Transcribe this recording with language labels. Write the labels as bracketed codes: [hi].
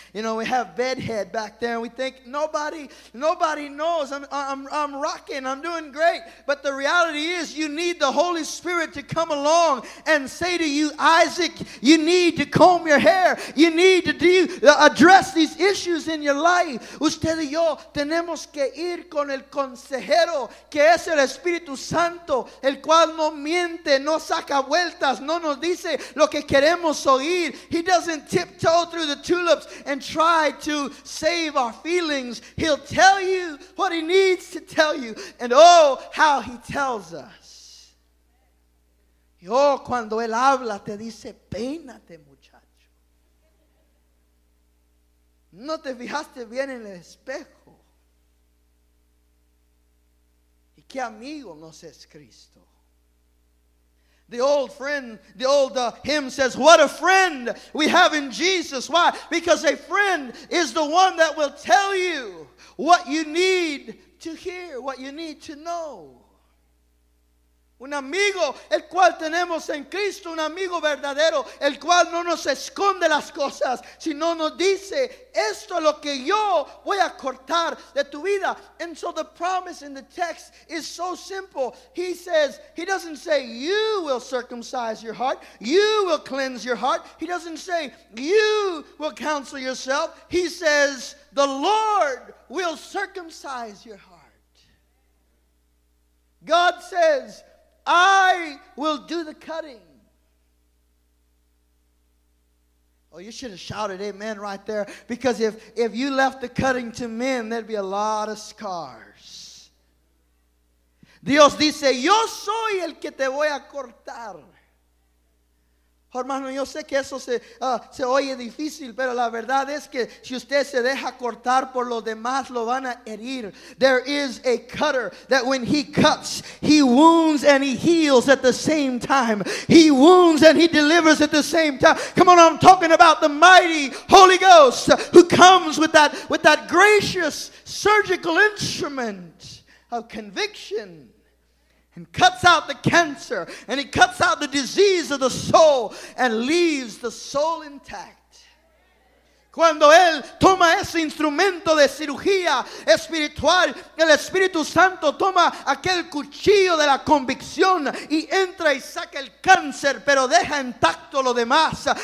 [en] You know, we have bedhead back there, and we think, nobody knows. I'm rocking. I'm doing great. But the reality is you need the Holy Spirit to come along and say to you, Isaac, you need to comb your hair. You need to address these issues in your life. [es] Usted y yo tenemos que ir con el consejero, que es el Espíritu Santo, el cual no miente, no saca vueltas, no nos dice lo que queremos oír. [en] He doesn't tiptoe through the tulips and try to save our feelings. He'll tell you what he needs to tell you. And oh, how he tells us. [es] Y oh, cuando él habla, te dice, peínate, muchacho. No te fijaste bien en el espejo. ¿Qué amigo nos es Cristo? [en] The old friend, the old hymn says, what a friend we have in Jesus. Why? Because a friend is the one that will tell you what you need to hear, what you need to know. [es] Un amigo el cual tenemos en Cristo, un amigo verdadero, el cual no nos esconde las cosas, sino nos dice, esto es lo que yo voy a cortar de tu vida. [en] And so the promise in the text is so simple. He says, he doesn't say, you will circumcise your heart. You will cleanse your heart. He doesn't say, you will counsel yourself. He says, the Lord will circumcise your heart. God says, I will do the cutting. Oh, you should have shouted amen right there. Because if you left the cutting to men, there'd be a lot of scars. [es] Dios dice, yo soy el que te voy a cortar. Hermano, yo sé que eso se oye difícil, pero la verdad es que si usted se deja cortar por los demás, lo van a herir. [en] There is a cutter that when he cuts, he wounds and he heals at the same time. He wounds and he delivers at the same time. Come on, I'm talking about the mighty Holy Ghost who comes with that gracious surgical instrument of conviction. And cuts out the cancer. And he cuts out the disease of the soul. And leaves the soul intact. [es] Cuando él toma ese instrumento de cirugía espiritual, el Espíritu Santo toma aquel cuchillo de la convicción y entra y saca el cáncer, pero deja intacto lo demás.